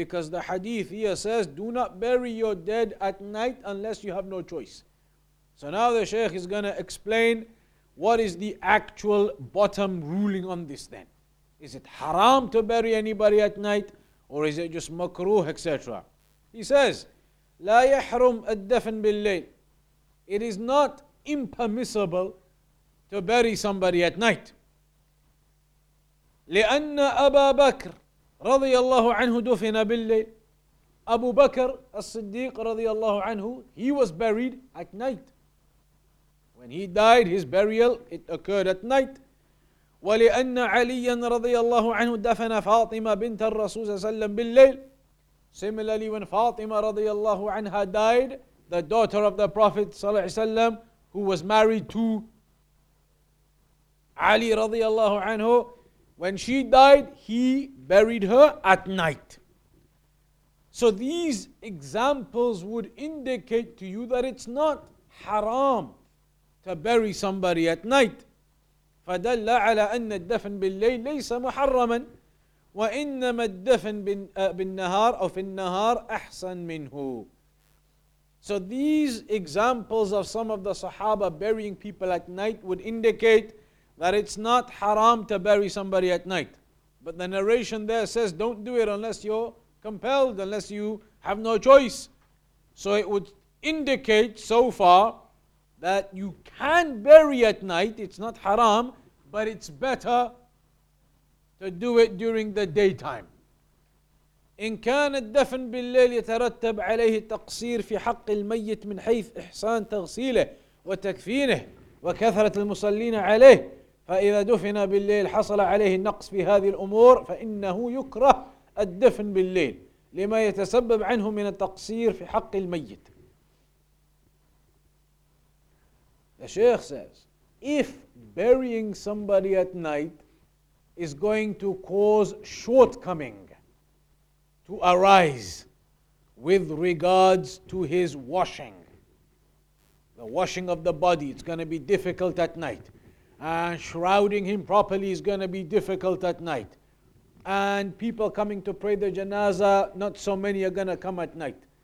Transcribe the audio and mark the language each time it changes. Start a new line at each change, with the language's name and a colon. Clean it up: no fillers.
English: Because the hadith here says, do not bury your dead at night unless you have no choice. So now the Shaykh is going to explain what is the actual bottom ruling on this then. Is it haram to bury anybody at night? Or is it just makruh, etc.? He says,
Arabic: لا يحرم الدفن بالليل.
English: It is not impermissible to bury somebody at night.
Arabic: لأن أبا بكر رضي الله عنه دفن بالليل. أبو بكر الصديق رضي الله عنه,
English: he was buried at night. When he died, his burial, it occurred at night.
Arabic: ولأن عليا رضي الله عنه دفن فاطمة بنت الرسول صلى الله عليه وسلم بالليل.
English: Similarly, when Fatima radiallahu anha died, the daughter of the Prophet sallallahu alaihi wasallam, who was married to Ali radiallahu anhu, when she died, he buried her at night. So these examples would indicate to you that it's not haram to bury somebody at night.
Arabic: فدل على أن الدفن بالليل ليس محرما. وَإِنَّمَا الدَّفْن بِالنَّهَارِ أَوْ فِي النَّهَارِ أَحْسَن مِنْهُ.
English: So these examples of some of the Sahaba burying people at night would indicate that it's not haram to bury somebody at night. But the narration there says, don't do it unless you're compelled, unless you have no choice. So it would indicate so far that you can bury at night, it's not haram, but it's better to do it during the daytime.
Arabic: إن كان الدفن بالليل يترتب عليه تقصير في حق الميت من حيث إحسان تغسيله وتكفينه وكثرة المصلين عليه فإذا دفن بالليل حصل عليه النقص في هذه الأمور فإنه يكره الدفن بالليل لما يتسبب عنه من التقصير في حق الميت.
English: The Sheikh says, if burying somebody at night is going to cause shortcoming to arise with regards to his washing, the washing of the body, it's going to be difficult at night, and shrouding him properly is going to be difficult at night, and people coming to pray the janazah, not so many are going to come at night.